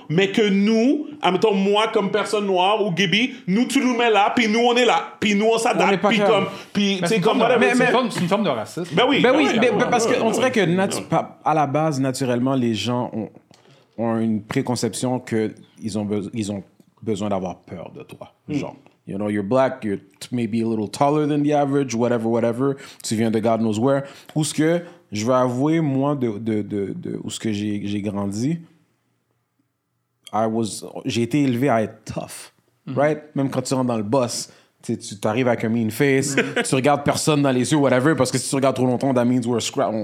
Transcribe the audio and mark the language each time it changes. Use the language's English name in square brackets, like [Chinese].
[French] Mais que nous, admettons, moi comme personne noire ou Gibby, nous, tu nous mets là, puis nous, on est là. Puis nous, on s'adapte. Puis comme. C'est une forme de racisme. Ben oui. Parce qu'on dirait que à la base, naturellement, les gens ont une préconception que ils ont besoin d'avoir peur de toi. Genre, [English] you know, you're black, you're maybe a little taller than the average, whatever, [French] tu viens de [English] God knows where. [French] Ou ce que, je vais avouer, moi, de où ce que j'ai grandi, j'ai été élevé à être tough, [English] right? [French] Même quand tu rentres dans le bus, tu arrives avec un [English] mean face, [French] tu regardes personne dans les yeux, whatever, parce que si tu regardes trop longtemps, [English] that means we're scrap.